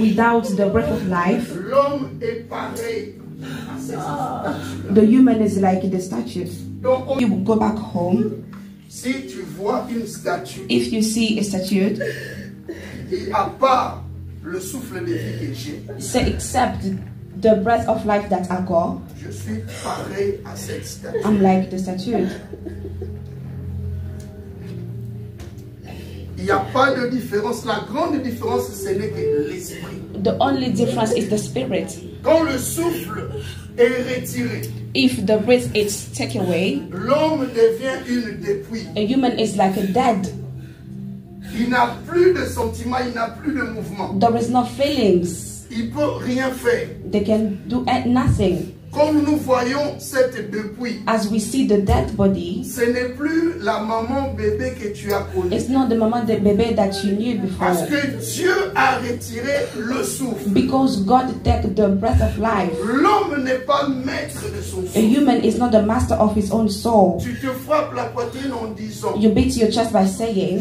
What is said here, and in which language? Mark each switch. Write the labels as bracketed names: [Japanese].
[English] without the breath of life, [French] l'homme est pareil. [English] The human is like the statue. [French] Donc, [English] you go back home. [French] Si tu vois une statue, [English] if you see a statue, [French] et à part le souffle de vie que j'ai, [English] say except the breath of life that I got, [French] je suis pareil à cette statue. [English] I'm like the statue. [French] Il n'y a pas de différence. La grande différence, ce n'est que l'esprit. [English] The only difference is the spirit. [French] Quand le souffle est retiré, [English] if the breath is taken away, [French] l'homme devient une dépouille. [English] A human is like a dead. [French] Il n'a plus de sentiments, il n'a plus de mouvement. [English] There is no feelings. [French] Il peut rien faire. [English] They can do nothing. [French] Comme nous voyons cette dépouille, [English] as we see the dead body, [French] ce n'est plus la maman bébé que tu as connue. [English] It's not the maman bébé that you knew before. [French] Parce que Dieu a retiré le souffle. [English] Because God took the breath of life. [French] L'homme n'est pas maître de son souffle. [English] A human is not the master of his own soul. [French] Tu te frappes la poitrine en disant, [English] you beat your chest by saying,